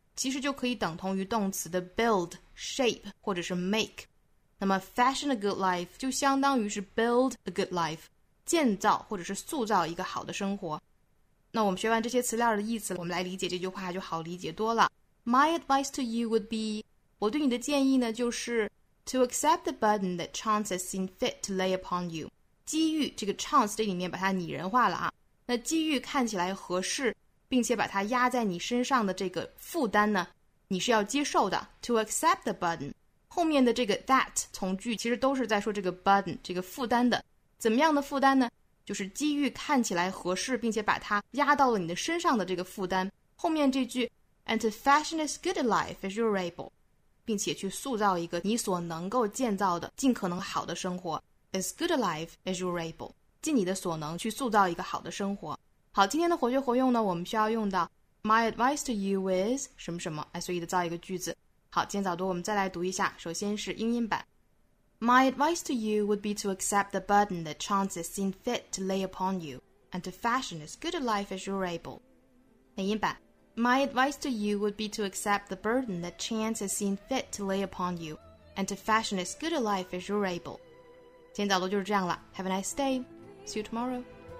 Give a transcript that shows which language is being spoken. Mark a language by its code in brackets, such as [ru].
[zh] 其实就可以等同于动词的 build, shape, 或者是 make。那么 fashion a good life 就相当于是 [en] build a good life， [zh] 建造或者是塑造一个好的生活。那我们学完这些词料的意思，我们来理解这句话就好理解多了。 [en] My advice to you would be， [zh] 我对你的建议呢就是 [en] To accept the burden that chance has seen fit to lay upon you， [zh] 机遇这个 chance 这里面把它拟人化了啊。那机遇看起来合适，并且把它压在你身上的这个负担呢，你是要接受的。 To accept the burden， 后面的这个 that 从句其实都是在说这个 burden， 这个负担的。怎么样的负担呢？就是机遇看起来合适，并且把它压到了你的身上的这个负担。后面这句 [en] And to fashion as good a life as you're able， [zh] 并且去塑造一个你所能够建造的尽可能好的生活。 [en] As good a life as you're able， [zh] 尽你的所能去塑造一个好的生活。好，今天的活学活用呢，我们需要用到 [en] My advice to you is [zh] 什么什么，来随意的造一个句子。好，今天早读我们再来读一下，首先是英音版。 [en] My advice to you would be to accept the burden that chance has seen fit to lay upon you, and to fashion as good a life as you're able. 美音版 My advice to you would be to accept the burden that chance has seen fit to lay upon you, and to fashion as good a life as you're able. [zh] 今天早读就是这样了 [en] Have a nice day. See you tomorrow.